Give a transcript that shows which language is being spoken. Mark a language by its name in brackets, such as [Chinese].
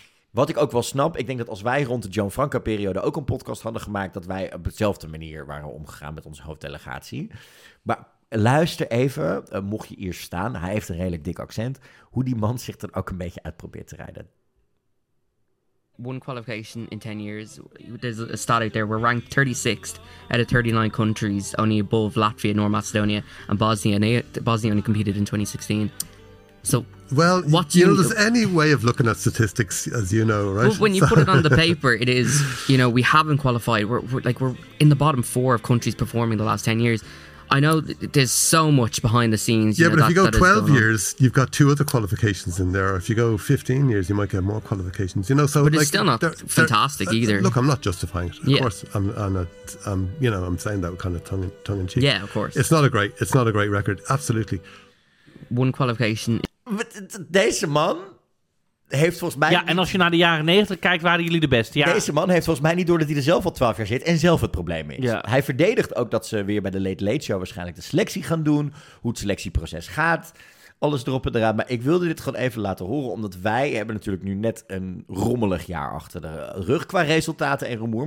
[Dutch] Wat ik ook wel snap, ik denk dat als wij rond de Joan Franca-periode ook een podcast hadden gemaakt, dat wij op dezelfde manier waren omgegaan met onze hoofddelegatie. Maar luister even, mocht je eerst staan, hij heeft een redelijk dik accent, hoe die man zich dan ook een beetje uit probeert te rijden. [English] One qualification in 10 years, there's a stat out there, we're ranked 36th out of 39 countries, only above Latvia, North Macedonia and Bosnia. Bosnia only competed in 2016. So, well, what you know, there's any way of looking at statistics, as you know, right? But when you put it on the paper, it is, you know, we haven't qualified. We're in the bottom four of countries performing the last 10 years. I know there's so much behind the scenes. Yeah, but if you go 12 years, you've got two other qualifications in there. If you go 15 years, you might get more qualifications. You know, so but it's still not fantastic either. Look, I'm not justifying it. Of course, I'm saying that kind of tongue in cheek. Yeah, of course. It's not a great record. Absolutely. One qualification. [Dutch] Deze man heeft volgens mij... Ja, en als je naar de jaren 90 kijkt, waren jullie de beste. Ja. Deze man heeft volgens mij niet door dat hij er zelf al 12 jaar zit en zelf het probleem is. Ja. Hij verdedigt ook dat ze weer bij de Late Late Show waarschijnlijk de selectie gaan doen. Hoe het selectieproces gaat. Alles erop en eraan. Maar ik wilde dit gewoon even laten horen, omdat wij hebben natuurlijk nu net een rommelig jaar achter de rug qua resultaten en rumoer.